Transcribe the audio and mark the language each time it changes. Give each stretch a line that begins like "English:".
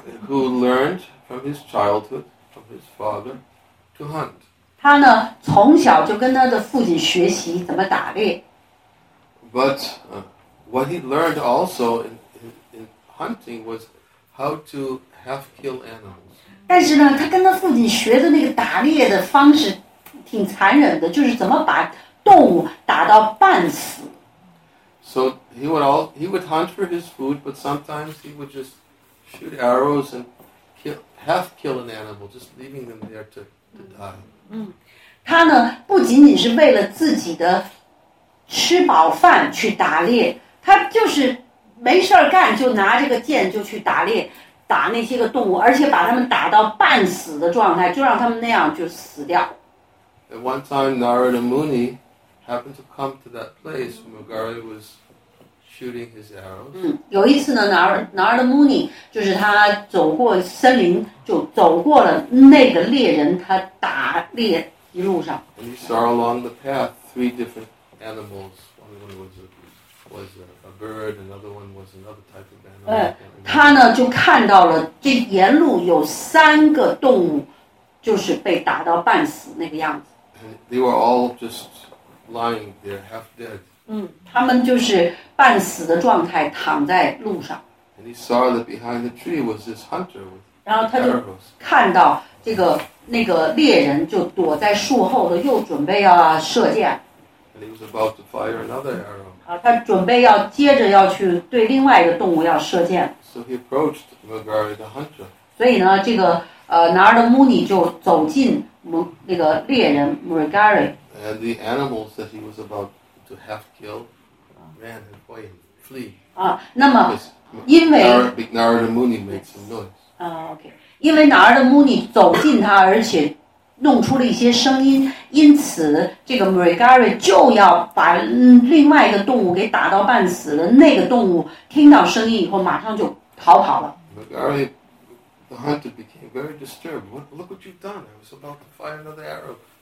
English: Who learned from his childhood from his father to hunt.
Chinese: 他呢，从小就跟他的父亲学习怎么打猎。
English: But what he learned also in hunting was how to half kill animals.
Chinese: 但是呢，他跟他父亲学的那个打猎的方式挺残忍的，就是怎么把动物打到半死。
English: So he would hunt for his food, but sometimes he would just shoot arrows and half kill an animal, just leaving them there to die.
Chinese: 他呢不仅仅是为了自己的吃饱饭去打猎，他就是没事干就拿这个剑就去打猎，打那些个动物，而且把他们打到半死的状态，就让他们那样就死掉。
English: At one time, Narada Muni happened to come to that place where Mrugari was shooting his arrows.
Chinese: 有一次呢 Narada Muni 就是他走过森林，就走过了那个猎人他打猎一路上。
English: And he saw along the path three different animals. One of them was a bird, another one was another type of animal.
Chinese: 他呢就看到了这沿路有三个动物就是被打到半死那个样子。
English: They were all just lying there half dead.
Chinese: 他们就是半死的状态躺在路上。
English: And he saw that behind the tree was this hunter with arrows.
Chinese: 然后他就看到这个那个猎人就躲在树后的，又准备要射箭。
English: And he was about to fire another arrow.
Chinese: 他准备要接着要去对另外一个动物要射箭。
English: So he approached Mrugari the hunter.
Chinese: 所以呢，这个Narada Muni 就走近那个猎人 Mrugari.
English: And the animals that he was about to half kill. Ran and flee.
Chinese: 那么因为
English: Narada Muni made some noise.
Chinese: Okay. 因为 Narada Muni 走近他，而且弄出了一些声音，因此这个 Mrugari 就要把另外一个动物给打到半死了。那个动物听到声音以后，马上就逃跑了。
English: Mrugari, the hunter became very disturbed. Look what you've done! I was about to fire another arrow.